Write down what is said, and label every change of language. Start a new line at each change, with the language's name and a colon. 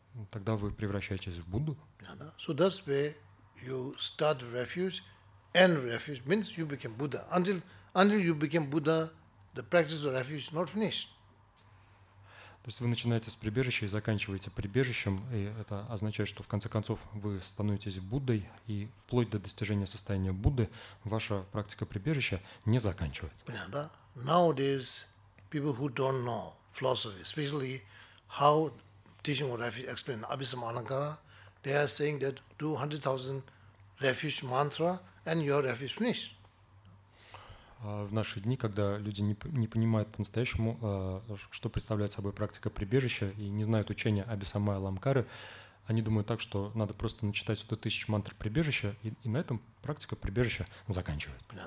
Russian: Тогда вы превращаетесь в Будду.
English: So that's where you start refuge, and refuge means you became Buddha. Until you became Buddha, the practice of refuge is not finished.
Russian: То есть вы начинаете с прибежища и заканчиваете прибежищем, и это означает, что в конце концов вы становитесь Буддой, и вплоть до достижения состояния Будды ваша практика прибежища не заканчивается. Да.
English: Nowadays people who don't know philosophy, especially how teaching of refuge explain Abhisamanakara, they are saying that do 100,000 refuge mantra and your refuge finished.
Russian: В наши дни, когда люди не понимают по-настоящему, что представляет собой практика прибежища и не знают учения Абхисамая Ламкары, они думают так, что надо просто начитать 100 тысяч мантр прибежища, и на этом практика прибежища заканчивается.